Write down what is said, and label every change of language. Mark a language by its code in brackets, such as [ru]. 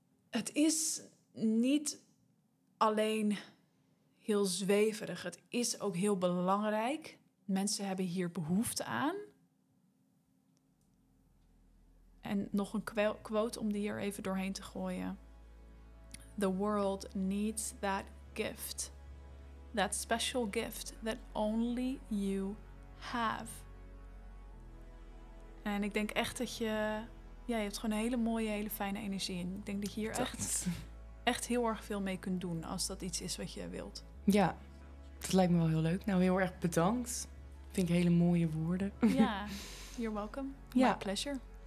[nl] En het is niet alleen... heel zweverig. Het is ook heel belangrijk. Mensen hebben hier behoefte aan. En nog een quote om die hier even doorheen te gooien. [en] The world needs that gift. That special gift that only you have. [nl] En ik denk echt dat je... Ja, je hebt gewoon een hele mooie, hele fijne energie. En ik denk dat je hier echt heel erg veel mee kunt doen. Als dat iets is wat je wilt. Ja, dat lijkt me wel heel leuk. Nou, heel erg bedankt. Vind ik hele mooie woorden. [en] Ja, you're welcome. Ja. My pleasure.